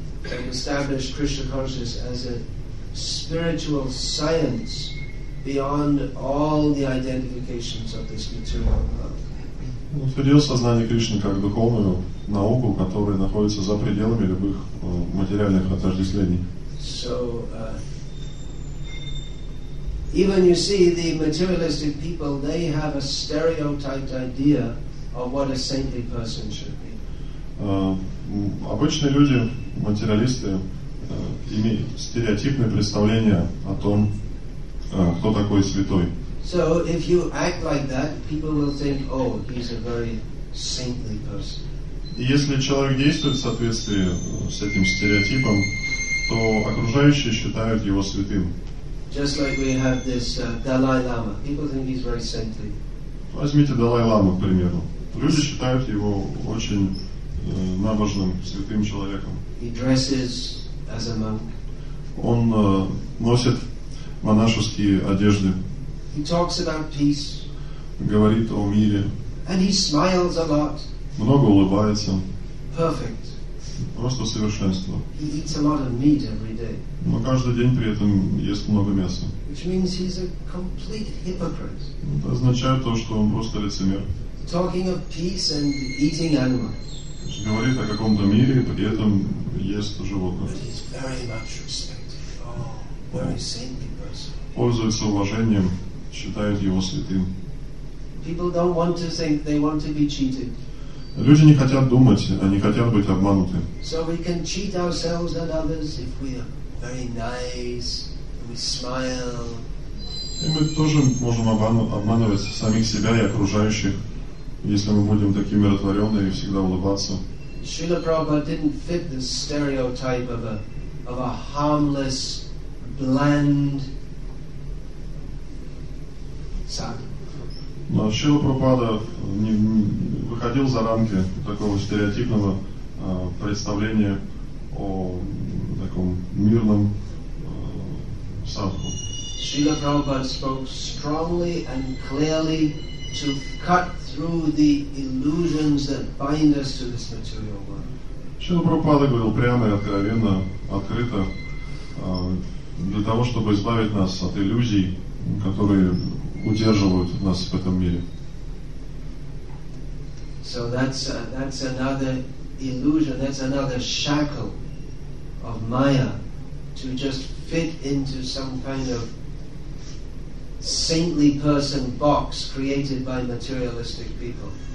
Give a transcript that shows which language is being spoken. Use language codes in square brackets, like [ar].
[en] And established Krishna consciousness as a spiritual science beyond all the identifications of this material world. [ru] Утвердил сознание Кришны как духовную науку, которая находится за пределами любых материальных отождествлений. [en] So, even you see the materialistic people, they have a stereotyped idea of what a saintly person should be. [ru] Обычные люди, материалисты, имеют стереотипное представление о том, кто такой святой. [en] So, if you act like that, people will think, oh, he's a very saintly person. [ru] И если человек действует в соответствии с этим стереотипом, то окружающие считают его святым. [en] Just like we have this Dalai Lama. People think he's very saintly. [ru] Возьмите Далай Ламу, к примеру. Люди считают его очень набожным, святым человеком. [en] He dresses as a monk. [ru] Он носит монашеские одежды. [en] He talks about peace. [ru] Говорит о мире. [en] And he smiles a lot. [ru] Много улыбается. [en] Perfect. [ru] Просто совершенство. [en] He eats a lot of meat every day. [ru] Но каждый день при этом ест много мяса. [en] Which means he's a complete hypocrite. [ru] Это означает то, что он просто лицемер. [en] Talking of peace and eating animals. [ru] Говорит о каком-то мире, при этом ест животных. [en] But he's very much respected. Oh, very saintly person. [ru] Пользуется уважением, считают его святым. [en] People don't want to think, they want to be cheated. [ru] Люди не хотят думать, они хотят быть обмануты. [en] So we can cheat ourselves and others if we are very nice, we smile. [ru] И мы тоже можем обманывать самих себя и окружающих, если мы будем такими миротворенными и всегда улыбаться. [en] Srila Prabhupada didn't fit the stereotype of a harmless, bland sadhu. [ru] Но Шрила Прабхупада не выходил за рамки такого стереотипного представления о таком мирном садху. [en] Шрила Прабхупада spoke strongly and clearly to cut through the illusions that bind us to this material world. [ru] Шрила Прабхупада говорил прямо и откровенно, открыто, для того, чтобы избавить нас от иллюзий, которые удерживают нас в этом мире. [en] So that's another illusion, that's another shackle of Maya to just fit into some kind of saintly person box created by materialistic people.